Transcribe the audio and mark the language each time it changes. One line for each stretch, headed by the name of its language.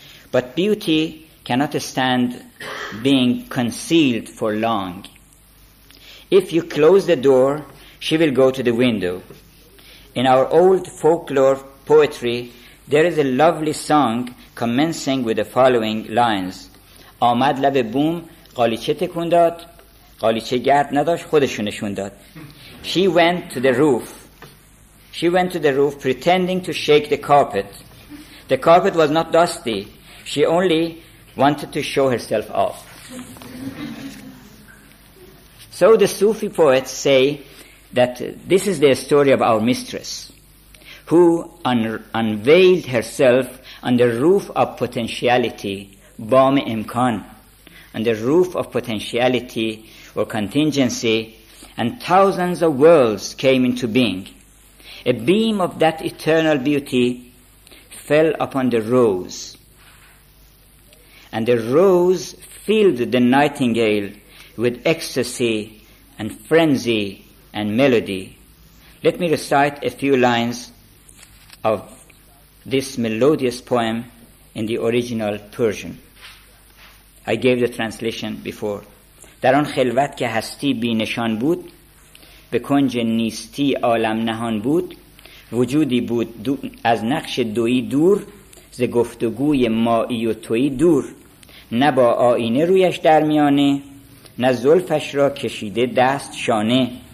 English: But beauty cannot stand being concealed for long. If you close the door, she will go to the window. In our old folklore poetry, there is a lovely song commencing with the following lines.
Persian: آمد لب بوم قالیچه تکون داد قالیچه گرد نداشت خودشونشون داد.
English: She went to the roof. She went to the roof pretending to shake the carpet. The carpet was not dusty. She only wanted to show herself off. So the Sufi poets say that this is the story of our mistress, who unveiled herself on the roof of potentiality, Bam Imkan, on the roof of potentiality or contingency, and thousands of worlds came into being. A beam of that eternal beauty fell upon the rose, and the rose filled the nightingale with ecstasy and frenzy and melody. Let me recite a few lines of this melodious poem in the original Persian. I gave the translation before.
Persian: در آن خلوت که هستی بی نشان بود به کنج نیستی عالم نهان بود وجودی بود از نقش دویی دور ز گفتگوی مایی و تویی دور نه با آینه رویش در میانه نه زلفش را کشیده دست شانه